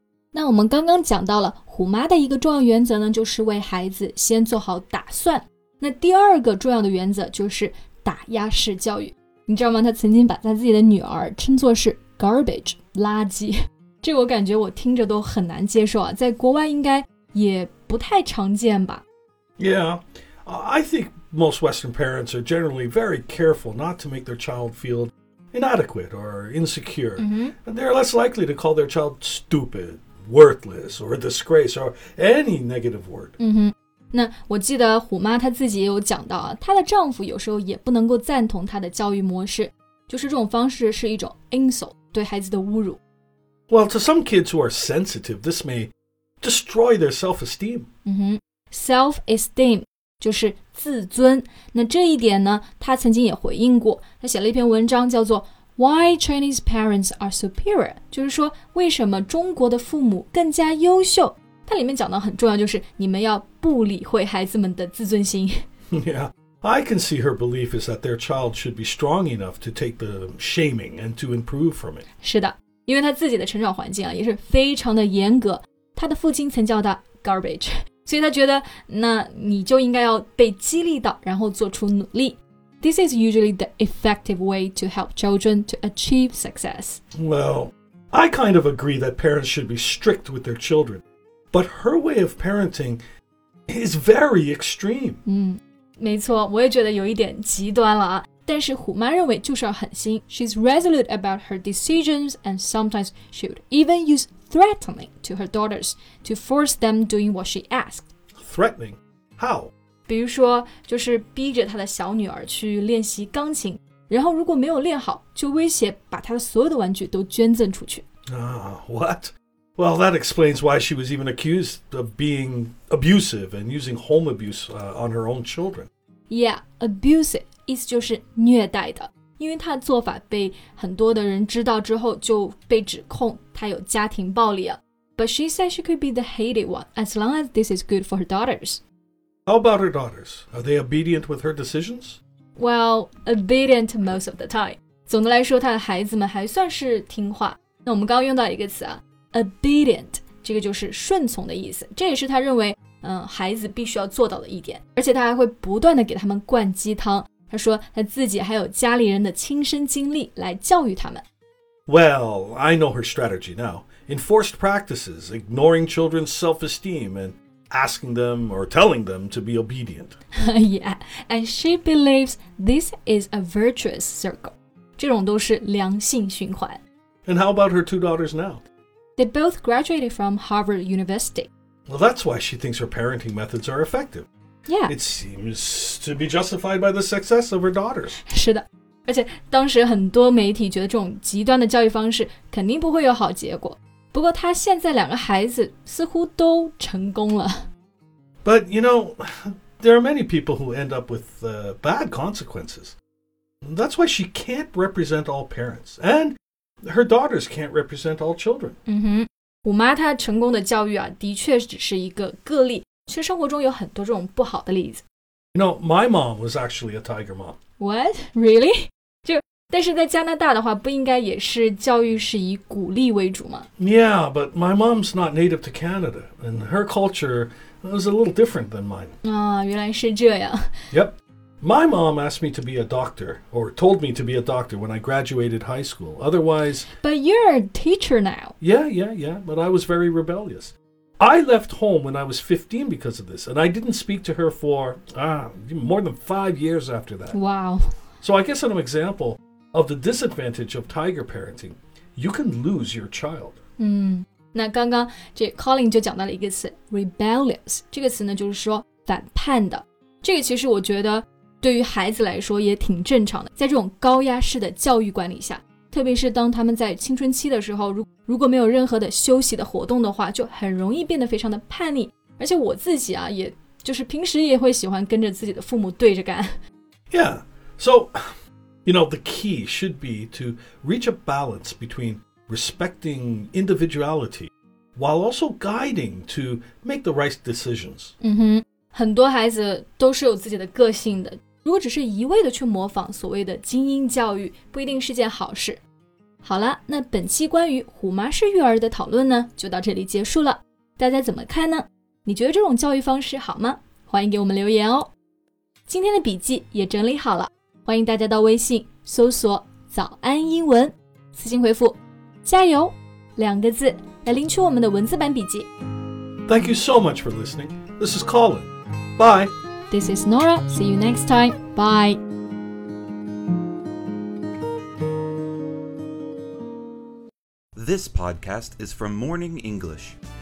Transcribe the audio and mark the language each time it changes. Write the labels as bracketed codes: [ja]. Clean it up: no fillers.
[zh] 那我们刚刚讲到了虎妈的一个重要原则呢，就是为孩子先做好打算。那第二个重要的原则就是打压式教育。你知道吗？他曾经把他自己的女儿称作是 garbage, 垃圾。这个我感觉我听着都很难接受啊，在国外应该也不太常见吧。 [en] Yeah. I think most Western parents are generally very careful not to make their child feel inadequate or insecure. They're less likely to call their child stupid, worthless, or a disgrace, or any negative word. [zh] 那我记得虎妈她自己也有讲到，她的丈夫有时候也不能够赞同她的教育模式，就是这种方式是一种 insult, 对孩子的侮辱。 [en] Well, to some kids who are sensitive, this may destroy their self-esteem. Mm-hmm. [zh] Self-esteem 就是自尊。那这一点呢，他曾经也回应过。他写了一篇文章叫做 [en] Why Chinese Parents Are Superior? [zh] 就是说为什么中国的父母更加优秀。它里面讲的很重要就是你们要不理会孩子们的自尊心。 [en] Yeah, I can see her belief is that their child should be strong enough to take the shaming and to improve from it. [zh] 是的，因为他自己的成长环境啊也是非常的严格。他的父亲曾叫他 garbage, 所以他觉得那你就应该要被激励到然后做出努力。 [en] This is usually the effective way to help children to achieve success. Well, I kind of agree that parents should be strict with their children. But her way of parenting is very extreme. [zh] 没错，我也觉得有一点极端了啊。但是虎妈认为就是要狠心。 [en] She's resolute about her decisions and sometimes she would even use threatening to her daughters to force them doing what she asked. Threatening? How? [zh] 比如说，就是逼着她的小女儿去练习钢琴，然后如果没有练好，就威胁把她的所有的玩具都捐赠出去。 [en] What? Well, that explains why she was even accused of being abusive and using home abuse, on her own children. [zh] Yeah, abusive, 意思就是虐待的。因为她的做法被很多的人知道之后就被指控她有家庭暴力了。 [en] But she said she could be the hated one, as long as this is good for her daughters. How about her daughters? Are they obedient with her decisions? Well, obedient most of the time. [zh] 总的来说她的孩子们还算是听话。那我们刚刚用到一个词啊。 Obedient, 这个就是顺从的意思。这也是他认为孩子必须要做到的一点。而且他还会不断的给他们灌鸡汤。他说他自己还有家里人的亲身经历来教育他们。 [en] Well, I know her strategy now. Enforced practices, ignoring children's self-esteem and asking them or telling them to be obedient. Yeah, and she believes this is a virtuous circle. [zh] 这种都是良性循环。 [en] And how about her two daughters now? They both graduated from Harvard University. Well, that's why she thinks her parenting methods are effective. Yeah. It seems to be justified by the success of her daughters. [zh] 是的，而且当时很多媒体觉得这种极端的教育方式肯定不会有好结果。不过她现在两个孩子似乎都成功了。 [en] But, you know, there are many people who end up with bad consequences. That's why she can't represent all parents. And... Her daughters can't represent all children. [zh] 虎妈她成功的教育啊，的确只是一个个例。其实生活中有很多这种不好的例子。 [en] You know, my mom was actually a tiger mom. What? Really? [zh] 就但是在加拿大的话，不应该也是教育是以鼓励为主吗 [en] ？Yeah, but my mom's not native to Canada, and her culture was a little different than mine. [zh] 啊，原来是这样。 [en] Yep. My mom asked me to be a doctor, or told me to be a doctor when I graduated high school. Otherwise... But you're a teacher now. Yeah, but I was very rebellious. I left home when I was 15 because of this, and I didn't speak to her for more than 5 years after that. Wow. So I guess an example of the disadvantage of tiger parenting, you can lose your child. [zh] 那刚刚这 Colin 就讲到了一个词 rebellious. 这个词呢就是说反叛的。这个其实我觉得对于孩子来说也挺正常的，在这种高压式的教育管理下，特别是当他们在青春期的时候，如果没有任何的休息的活动的话，就很容易变得非常的叛逆。而且我自己啊，也就是平时也会喜欢跟着自己的父母对着干。 [en] Yeah, so, you know, the key should be to reach a balance between respecting individuality while also guiding to make the right decisions. [zh] 很多孩子都是有自己的个性的，如果只是一味的去模仿所谓的精英教育，不一定是件好事。好了，那本期关于虎妈式育儿的讨论呢，就到这里结束了。大家怎么看呢？你觉得这种教育方式好吗？欢迎给我们留言哦。今天的笔记也整理好了，欢迎大家到微信搜索“早安英文”，私信回复“加油”两个字来领取我们的文字版笔记。 [en] Thank you so much for listening. This is Colin. Bye. This is Nora. See you next time. Bye. This podcast is from Morning English.